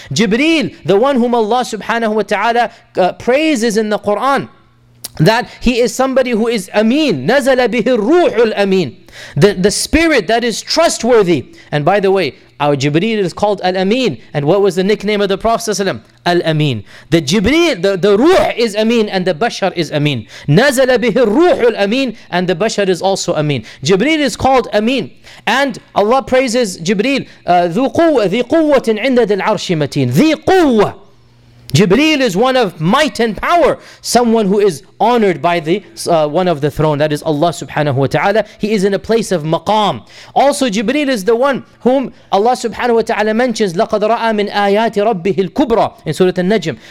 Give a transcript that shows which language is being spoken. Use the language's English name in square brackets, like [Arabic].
[English] Jibreel, the one whom Allah subhanahu wa ta'ala praises in the Quran, that he is somebody who is Amin, [Arabic] nazala bihi ruhul Amin, [English] the spirit that is trustworthy. And by the way, our Jibreel is called Al-Amin. And what was the nickname of the Prophet ﷺ? Al-Amin. The Jibreel, the Ruh is Amin and the Bashar is Amin. [Arabic] نَزَلَ بِهِ الرُّوحُ الْأَمِينَ [English] and the Bashar is also Amin. Jibreel is called Amin. And Allah praises Jibreel. [Arabic] ذِي قُوَّةٍ عِنْدَ الْعَرْشِ مَتِينَ. ذِي قُوَّةٍ. [English] Jibreel is one of might and power, someone who is honored by the one of the throne, that is Allah subhanahu wa ta'ala. He is in a place of maqam. Also, Jibreel is the one whom Allah subhanahu wa ta'ala mentions, [Arabic] لَقَدْ رَأَى مِنْ آيَاتِ رَبِّهِ الْكُبْرَى [English] in Surah Al-Najm.